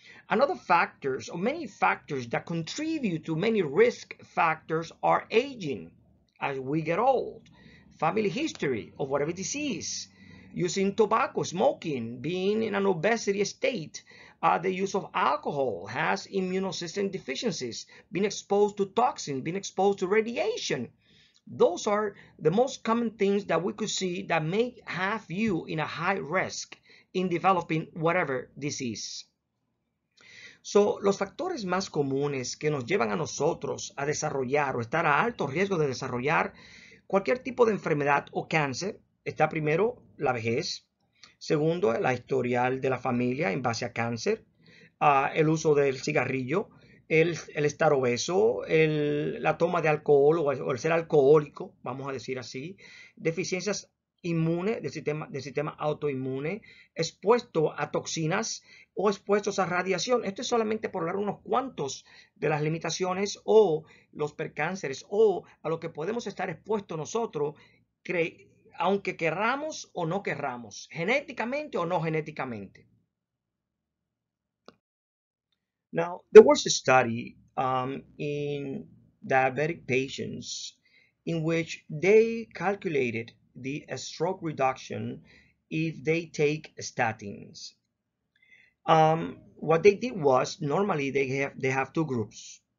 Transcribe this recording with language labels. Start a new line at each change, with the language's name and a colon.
English: Another factors, or many factors that contribute to many risk factors are aging as we get old, family history of whatever disease, using tobacco, smoking, being in an obesity state, the use of alcohol, has immunosystem deficiencies, being exposed to toxins, being exposed to radiation. Those are the most common things that we could see that may have you in a high risk in developing whatever disease.
Spanish: So, los factores más comunes que nos llevan a nosotros a desarrollar o estar a alto riesgo de desarrollar cualquier tipo de enfermedad o cáncer está primero la vejez, segundo la historial de la familia en base a cáncer, el uso del cigarrillo, el estar obeso, la toma de alcohol o el ser alcohólico, vamos a decir así, deficiencias inmunes del sistema autoinmune, expuesto a toxinas o expuestos a radiación. Esto es solamente por hablar unos cuantos de las limitaciones o los percánceres o a lo que podemos estar expuestos nosotros, aunque querramos o no querramos, genéticamente o no genéticamente.
English: Now, there was a study in diabetic patients in which they calculated the stroke reduction if they take statins. What they did was, normally they have two groups.